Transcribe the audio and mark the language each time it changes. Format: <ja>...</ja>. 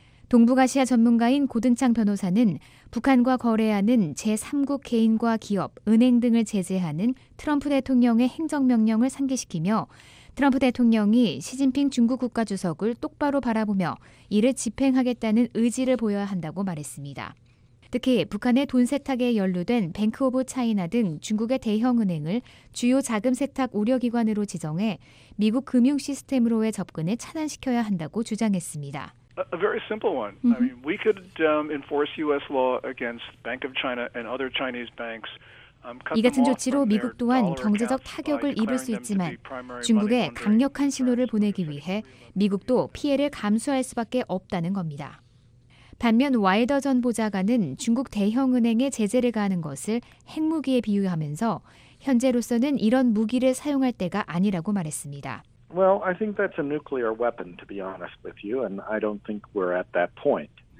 <ko>동북아시아 전문가인 고든창 변호사는 북한과 거래하는 제3국 개인과 기업, 은행 등을 제재하는 트럼프 대통령의 행정명령을 상기시키며 트럼프 대통령이 시진핑 중국 국가주석을 똑바로 바라보며 이를 집행하겠다는 의지를 보여야 한다고 말했습니다. 특히 북한의 돈 세탁에 연루된 뱅크 오브 차이나 등 중국의 대형 은행을 주요 자금 세탁 우려기관으로 지정해 미국 금융 시스템으로의 접근을 차단시켜야 한다고 주장했습니다.</ko> <en>A very simple one. I mean, we could enforce U.S. law against Bank of China and other Chinese banks.</en> <ko>이 같은 조치로 미국 또한 경제적 타격을 입을 수 있지만 중국에 강력한 신호를 보내기 위해 미국도 피해를 감수할 수밖에 없다는 겁니다. 반면 와일더 전 보좌관은 중국 대형 은행에 제재를 가하는 것을 핵무기에 비유하면서 현재로서는 이런 무기를 사용할 때가 아니라고 말했습니다.</ko> <en>Well, I think that's a nuclear weapon, to be honest with you, and I don't think we're at that point.</en>